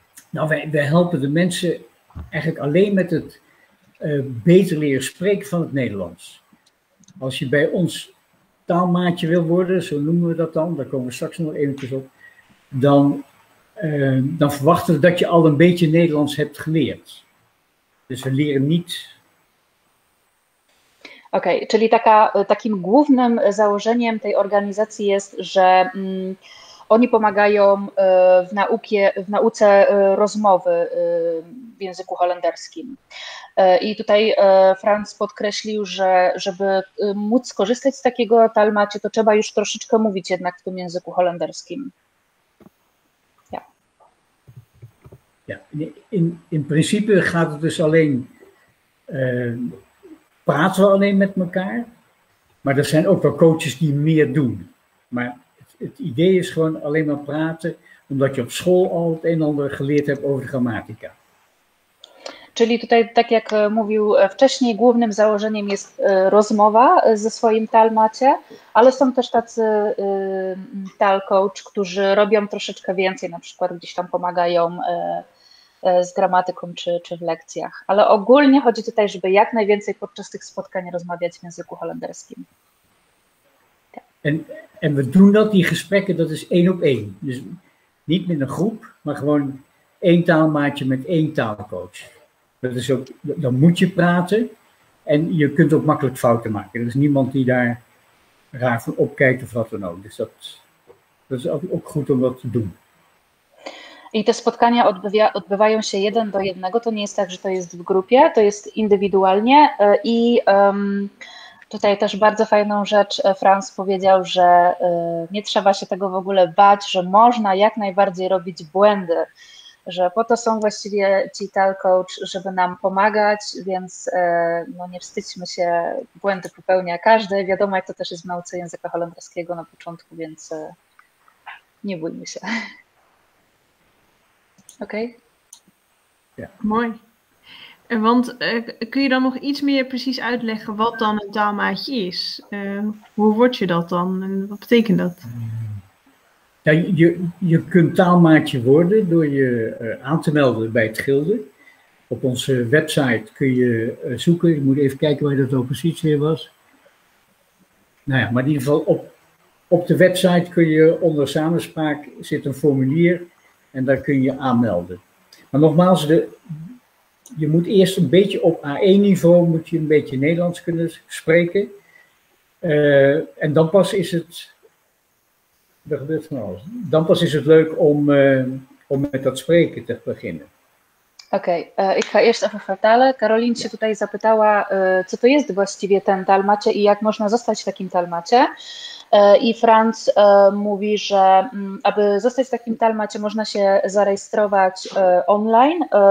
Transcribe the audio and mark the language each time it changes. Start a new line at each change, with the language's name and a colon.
Dutch: Wij helpen de mensen eigenlijk alleen met het beter leren spreken van het Nederlands. Als je bij ons taalmaatje wil worden, zo noemen we dat dan, daar komen we straks nog eventjes op, dan dan verwachten we dat je al een beetje Nederlands hebt geleerd. Dus we leren niet.
Polish: Okej, okay, czyli takim głównym założeniem tej organizacji jest, że oni pomagają w nauce rozmowy w języku holenderskim. I tutaj Franz podkreślił, że żeby móc skorzystać z takiego talmacie, to trzeba już troszeczkę mówić jednak w tym języku holenderskim.
Dutch: Ja. Ja, in principe gaat het dus alleen. Praten we alleen met elkaar, maar er zijn ook wel coaches die meer doen. Maar het idee is gewoon alleen maar praten, omdat je op school al het een en ander geleerd hebt over de grammatica.
Polish: Czyli tutaj, tak jak mówił wcześniej, głównym założeniem jest rozmowa ze swoim talmacie, ale są też tacy talcoach, którzy robią troszeczkę więcej, na przykład gdzieś tam pomagają z gramatyką czy w lekcjach. Ale ogólnie chodzi tutaj, żeby jak najwięcej podczas tych spotkań rozmawiać w języku holenderskim.
Dutch: En we doen dat, die gesprekken, dat is één op één. Dus niet met een groep, maar gewoon één taalmaatje met één taalcoach. Dat is ook, dan moet je praten en je kunt ook makkelijk fouten maken. Er is niemand die daar raar van opkijkt of wat dan ook. Dus dat is ook goed om dat te doen.
Polish: I te spotkania odbywają się jeden do jednego, to nie jest tak, że to jest w grupie, to jest indywidualnie i tutaj też bardzo fajną rzecz Franz powiedział, że nie trzeba się tego w ogóle bać, że można jak najbardziej robić błędy, że po to są właściwie ci talcoach, żeby nam pomagać, więc no nie wstydźmy się, błędy popełnia każdy, wiadomo jak to też jest w nauce języka holenderskiego na początku, więc nie bójmy się.
Dutch: Oké. Okay. Ja. Mooi. Want kun je dan nog iets meer precies uitleggen wat dan een taalmaatje is? Hoe word je dat dan en wat betekent dat? Ja, je kunt taalmaatje worden door je aan te melden bij het gilde. Op onze website kun je zoeken. Ik moet even kijken waar dat ook precies weer was. Nou ja, maar in ieder geval op de website kun je onder samenspraak zit een formulier. En daar kun je aanmelden. Maar nogmaals, je moet eerst een beetje op A1 niveau, moet je een beetje Nederlands kunnen spreken. En dan pas is het, er gebeurt van alles. Dan pas is het leuk om met dat spreken te beginnen. Okej, ik ga eerst even vertalen.
Polish: Karolin się tutaj zapytała, co to jest właściwie ten talmacie i jak można zostać w takim talmacie. I Franz mówi, że aby zostać w takim talmacie, można się zarejestrować online.